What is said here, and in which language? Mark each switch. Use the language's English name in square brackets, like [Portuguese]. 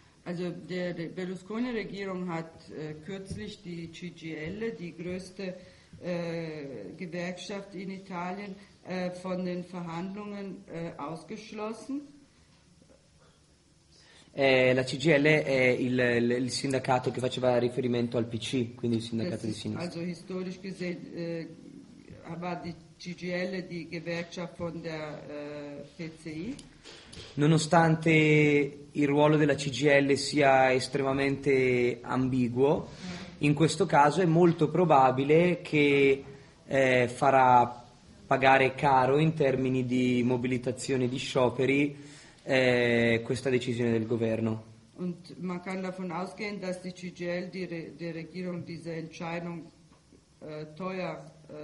[German] Also die Berlusconi Regierung hat kürzlich die CGIL, die größte Gewerkschaft in Italien, von den Verhandlungen ausgeschlossen. [Italian] La CGIL è il sindacato che faceva riferimento al PC, quindi il sindacato di sinistra. [German] Also historisch gesehen war die CGIL die Gewerkschaft von der PCI. [Italian] Nonostante il ruolo della CGIL sia estremamente ambiguo, in questo caso è molto probabile che farà pagare caro in termini di mobilitazione di scioperi questa decisione del governo. [German] Und man kann davon ausgehen, dass die CGIL die Regierung diese Entscheidung teuer